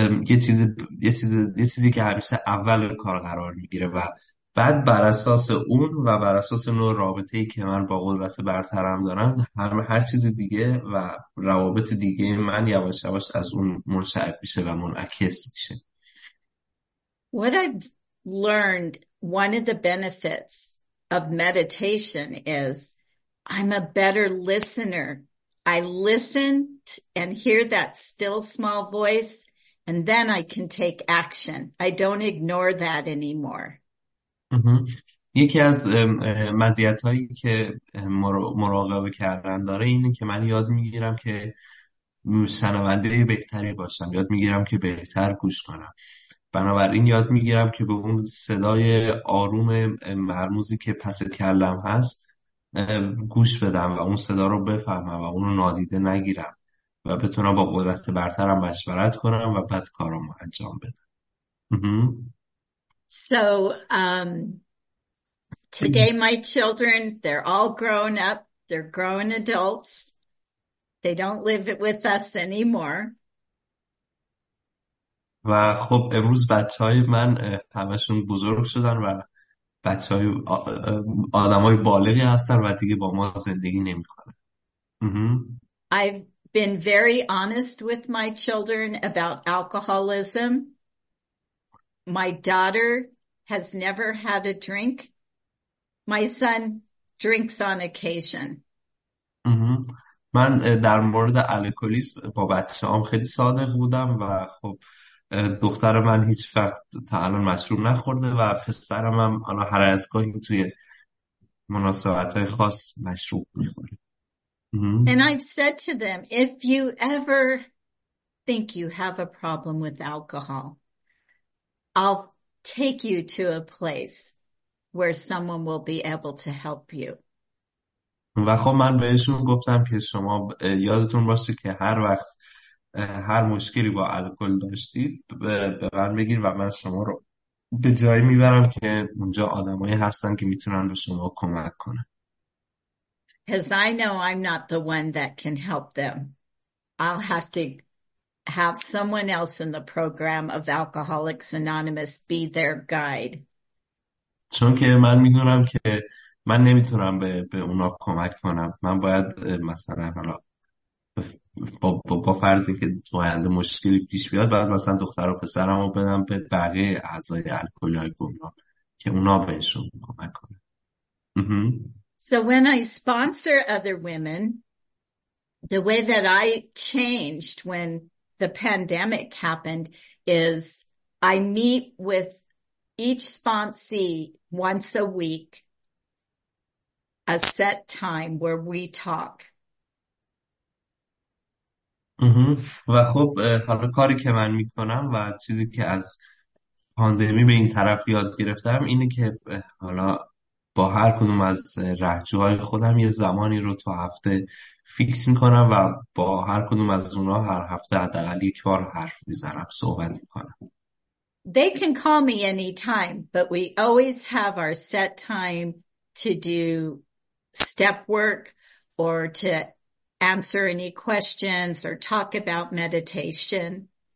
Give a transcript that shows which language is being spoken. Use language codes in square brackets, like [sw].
[fa] یه چیزی که همیشه اول کار قرار میگیره و بعد بر اساس اون و بر اساس نوع رابطه‌ای که من با قدرت برترم دارم، هر چیز دیگه و روابط دیگه من یواش یواش از اون منشعب میشه و منعکس میشه. [en] What I've learned, one of the benefits of meditation is I'm a better listener. I listen and hear that still small voice, and then I can take action. I don't ignore that anymore. [fa] یکی از مزیت هایی که مراقبه کردن داره اینه که من یاد میگیرم که شنونده بهتری باشم، یاد میگیرم که بهتر گوش کنم، بنابراین یاد میگیرم که به اون صدای آروم مرموزی که پس کلم هست گوش بدم و اون صدا رو بفهمم و اون رو نادیده نگیرم و بتونم با قدرت برترم مشورت کنم و بعد کارمو انجام بدم. [en] So today my children, they're all grown up, they're grown adults. They don't live with us anymore. [fa] و خب امروز بچهای من همشون بزرگ شدن و بچهای آدمای بالغی هستن و دیگه با ما زندگی نمی‌کنن. [en] I've been very honest with my children about alcoholism. My daughter has never had a drink. My son drinks on occasion. [fa] من در مورد الکلیسم با بچه‌هام خیلی صادق بودم و خب دختر من هیچ وقت تا الان مشروب نخورده و پسرم هم الان هر از گاهی توی مناسبت های خاص مشروب میخوره. [en] And I've said to them, if you ever think you have a problem with alcohol, I'll take you to a place where someone will be able to help you. [fa] و خب من بهشون گفتم که شما یادتون باشه که هر وقت هر مشکلی با الکل داشتید به من بگیر و من شما رو به جایی میبرم که اونجا آدمایی هستن که میتونن به شما کمک کنن. [en] Because I know I'm not the one that can help them. I'll have to have someone else in the program of Alcoholics Anonymous be their guide. [fa] چون که من میدونم که من نمیتونم به اونا کمک کنم. من باید مثلا حالا با فرضی که تو آینده مشکلی پیش بیاد باید مثلا دختر و پسرم رو بدم به بقیه اعضای الکلی های گمنام که اونا بهشون کمک کنن. [en] So when I sponsor other women, the way that I changed when the pandemic happened is I meet with each sponsee once a week, a set time where we talk. [fa] و خب حالا کاری که من می کنم و چیزی که از پاندمی به این طرف یاد گرفتم اینه که حالا با هر کدوم از رهجوهای خودم یه زمانی رو تو هفته فیکس می کنم و با هر کدوم از اونا هر هفته حداقل یک بار حرف می زنم، صحبت می کنم. [en] They can call me anytime, but we always have our set time to do step work or to answer any questions or talk about meditation.